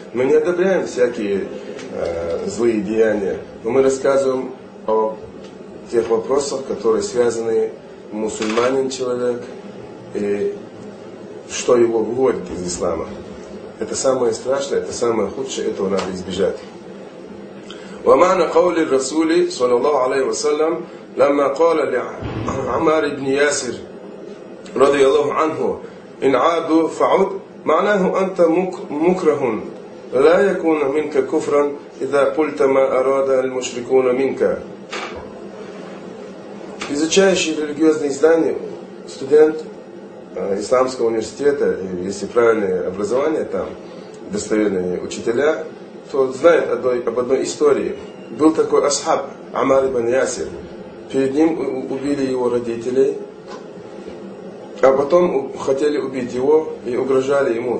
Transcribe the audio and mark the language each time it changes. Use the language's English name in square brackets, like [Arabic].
[Russian] Мы не одобряем всякие злые деяния, но мы рассказываем о тех вопросах, которые связаны мусульманин человек, и что его выводит из ислама. Это самое страшное, это самое худшее, этого надо избежать. [Arabic] ومعنى قول الرسول صلى الله عليه وسلم لما قال لعمار بن ياسر رضي الله عنه إن عادوا فعد معناه أنت مكره لا يكون منك كفرا إذا قلت ما أراد المشركون منك. [Russian] Изучающий религиозные издания, студент исламского университета, если правильное образование там, достойные учителя, то знает об одной истории. Был такой асхаб Амар ибн Ясир. Перед ним убили его родителей, а потом хотели убить его и угрожали ему.